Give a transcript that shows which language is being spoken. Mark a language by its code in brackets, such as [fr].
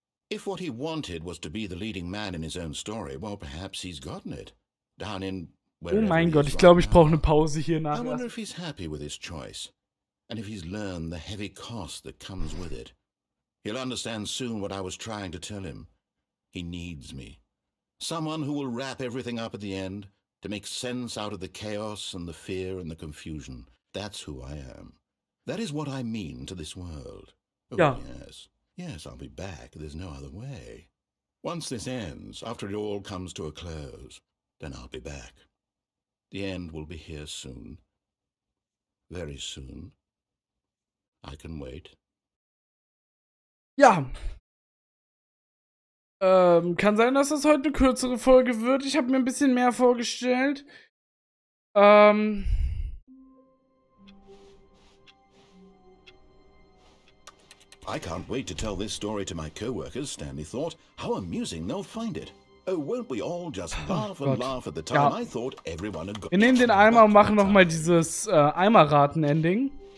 [en] If what he wanted was to be the leading man in his own story, well, perhaps he's gotten it. Down in [de] wherever. Oh mein Gott, ich glaube, ich brauche eine Pause hier nachher. [en] I wonder if he's happy with his choice. And if he's learned the heavy cost that comes with it. He'll understand soon what I was trying to tell him. He needs me. Someone who will wrap everything up at the end. To make sense out of the chaos and the fear and the confusion. That's who I am. That is what I mean to this world. [de] Oh, ja. [en] Yes. Yes, I'll be back. There's no other way. Once this ends, after it all comes to a close, then I'll be back. The end will be here soon. Very soon. I can wait. [de] Ja. Kann sein, dass das heute eine kürzere Folge wird. Ich habe mir ein bisschen mehr vorgestellt. [en] I can't wait to tell this story to my coworkers, Stanley thought. How amusing they'll find it. Oh, won't we all just laugh and laugh at the time? Ja. I thought everyone had got. [de] Wir nehmen den Eimer und machen nochmal dieses Eimerraten-Ending.